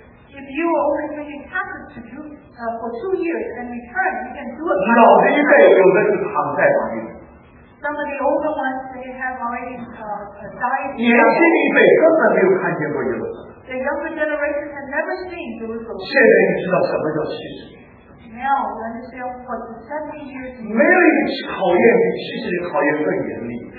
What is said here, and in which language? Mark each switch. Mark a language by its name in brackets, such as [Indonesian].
[English] If you are only taking captives to do for 2 years and return, you can do it. [Chinese] 老的一辈有的是躺在旁边。 [English] Some of the older ones they have already died. [Chinese] 年轻一辈根本没有看见过耶路撒冷。 [English] The younger generation has never seen Jerusalem. [Chinese] 现在你知道什么叫70。 [English] Now we understand for 70 years. [Chinese] 没有一个考验比70的考验更严厉。